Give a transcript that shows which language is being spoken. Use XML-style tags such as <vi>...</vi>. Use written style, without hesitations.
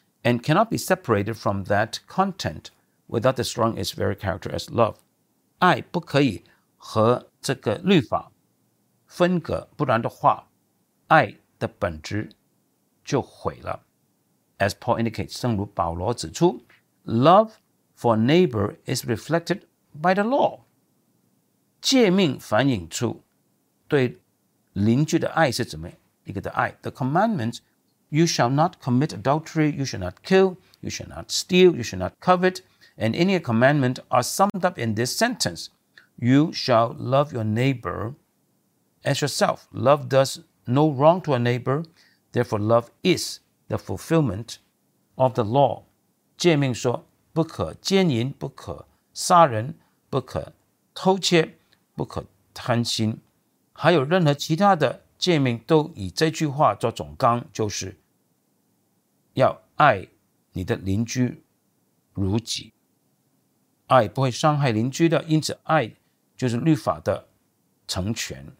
<en>And cannot be separated from that content without the strong its very character as love.</en> <zh>爱不可以和这个律法分隔，不然的话，爱的本质就毁了。</zh> <en>As Paul indicates, 正如保罗指出， love for neighbor is reflected by the law.</en> <zh>诫命反映出对邻居的爱是怎么一个的爱。</zh> <en>The commandments,You shall not commit adultery, you shall not kill, you shall not steal, you shall not covet, and any commandment are summed up in this sentence. You shall love your neighbor as yourself. Love does no wrong to a neighbor, therefore love is the fulfillment of the law.</en> <zh>诫命说不可奸淫，不可杀人，不可偷窃，不可贪心，还有任何其他的诫命都以这句话做总纲，就是要爱你的邻居如己，爱不会伤害邻居的，因此爱就是律法的成全。</zh>